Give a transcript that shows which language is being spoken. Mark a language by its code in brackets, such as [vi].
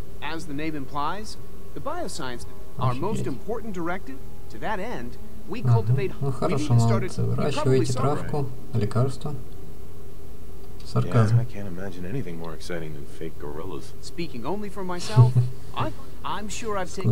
[en] As the name implies, the bioscience, our most important directive, to that end, we cultivate... [ru] Ну хорошо, молодцы, выращиваете травку, лекарство. Сарказм. [en] Yeah, I can't imagine anything more exciting than fake gorillas. Speaking only for myself, I'm sure I've taken...